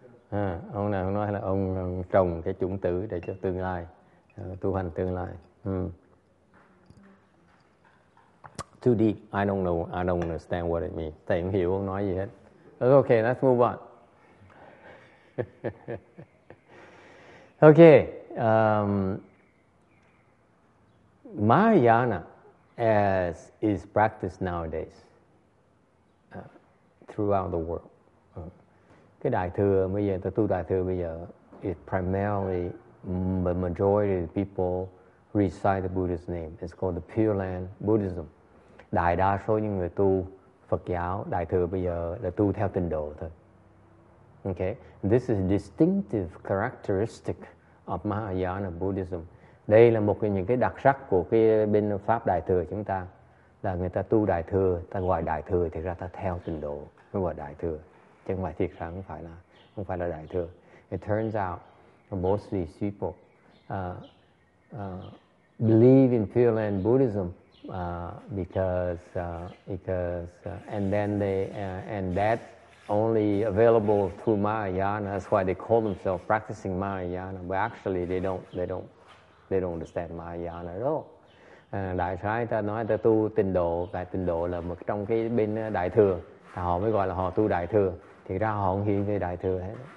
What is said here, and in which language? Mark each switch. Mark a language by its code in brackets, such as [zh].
[en] Yes. [vi] Ông nào ông nói là ông trồng cái chủng tử để cho tương lai, tu hành tương lai. [en] Too deep. I don't know. I don't understand what it means. [vi] Thầy không hiểu ông nói gì hết. [en] Okay, let's move on. Okay, Mahayana as is practiced nowadays throughout the world. [vi] Cái đại thừa bây giờ, tôi tu đại thừa bây giờ, [en] is primarily the majority of people recite the Buddhist name. It's called the Pure Land Buddhism. [vi] Đại đa số những người tu Phật giáo đại thừa bây giờ là tu theo tịnh độ thôi. [en] Okay, this is a distinctive characteristic of Mahayana Buddhism. [vi] Đây là một trong những cái đặc sắc của cái bên pháp đại thừa chúng ta, là người ta tu đại thừa, ta gọi đại thừa thì ra ta theo tịnh độ mới gọi đại thừa, chứ không phải thiệt rằng không phải là đại thừa. [en] It turns out most of these people believe in Pure Land Buddhism because only available through Mahayana. That's why they call themselves practicing Mahayana. But actually, they don't understand Mahayana at all. [vi] Đại khái ta nói ta tu tịnh độ, tại tịnh độ là một trong cái bên đại thừa, thì họ mới gọi là họ tu đại thừa. Thì ra họ không hiểu về đại thừa hết.